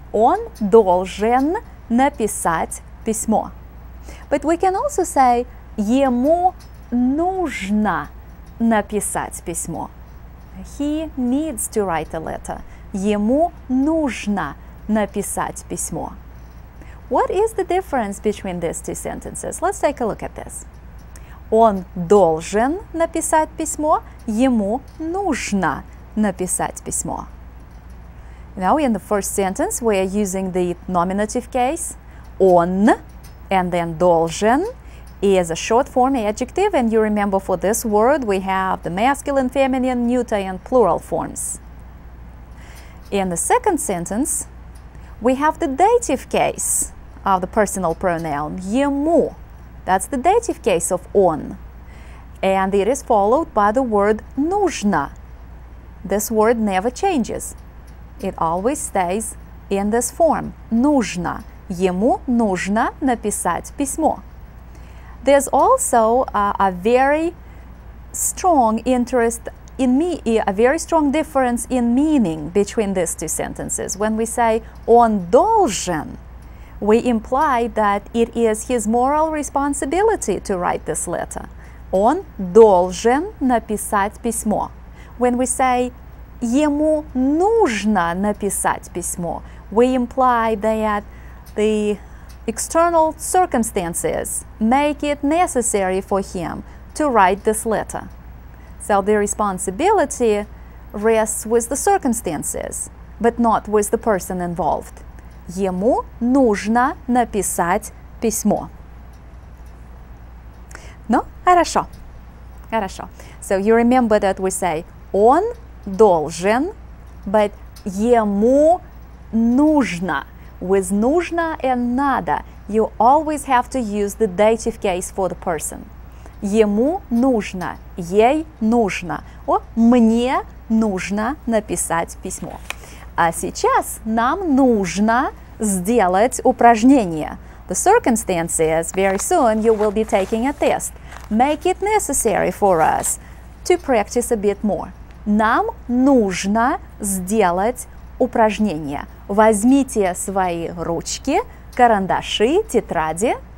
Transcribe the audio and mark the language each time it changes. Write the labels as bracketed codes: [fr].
[ru] Он должен написать письмо. [en] But we can also say [ru] ему нужно написать письмо. [en] He needs to write a letter. [ru] Ему нужно написать письмо. [en] What is the difference between these two sentences? Let's take a look at this. [ru] Он должен написать письмо. Ему нужно написать письмо. [en] Now, in the first sentence, we are using the nominative case. Он and then должен is a short form adjective, and you remember for this word we have the masculine, feminine, neuter, and plural forms. In the second sentence, we have the dative case of the personal pronoun, ему. That's the dative case of он. And it is followed by the word нужно. This word never changes. It always stays in this form, нужно. [ru] Ему нужно написать письмо. [en] There's also a very strong interest in me, a very strong difference in meaning between these two sentences. When we say [ru] он должен, [en] we imply that it is his moral responsibility to write this letter. [ru] Он должен написать письмо. [en] When we say [ru] ему нужно написать письмо, [en] we imply that the external circumstances make it necessary for him to write this letter. So the responsibility rests with the circumstances, but not with the person involved. [ru] Ему нужно написать письмо. Ну, хорошо. Хорошо. [en] So you remember that we say [ru] он должен, [en] but [ru] ему нужно. [en] With нужно and надо, you always have to use the dative case for the person. [ru] Ему нужно, ей нужно, о, мне нужно написать письмо. А сейчас нам нужно сделать упражнение. [en] The circumstance is, very soon you will be taking a test. Make it necessary for us to practice a bit more. [ru] Нам нужно сделать упражнение. Возьмите свои ручки, карандаши, тетради.